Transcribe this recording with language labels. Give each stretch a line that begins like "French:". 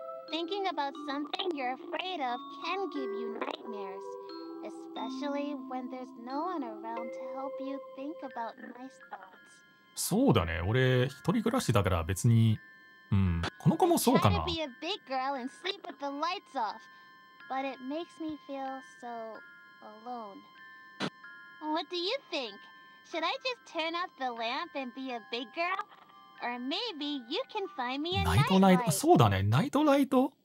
English: Thinking about something you're afraid of can give you nightmares, especially when there's no one around to help you think about nice thoughts.
Japanese: そうだね。俺一人暮らしだから別に、この子もそうかな。
English: Try to be a big girl and sleep with the lights off, but it makes me feel so alone. What do you think? Should I just turn off the lamp and be a big girl? Or maybe you can find me a
Japanese: ナイトライト、そうだね、ナイトライト。